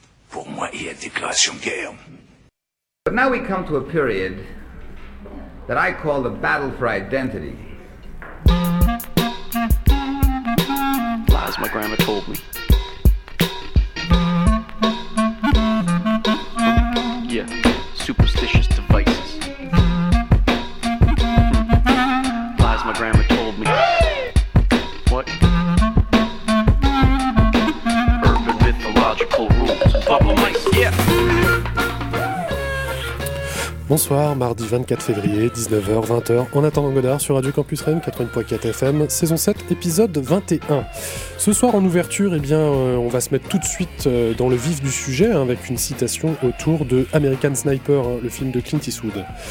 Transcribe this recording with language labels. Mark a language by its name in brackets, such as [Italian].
[French] Pour moi, il y a déclaration de guerre. [English] But now we come to a period that I call the battle for identity. Lies my grandma told me. Yeah, superstitious devices. Lies my grandma told me. What? Urban mythological rules. Bubble mice, yeah. [French] Bonsoir, mardi 24 février, 19h, 20h, en attendant Godard sur Radio Campus Rennes, 80.4 FM, saison 7, épisode 21. Ce soir en ouverture, eh bien, on va se mettre tout de suite dans le vif du sujet, avec une citation autour de American Sniper, le film de Clint Eastwood.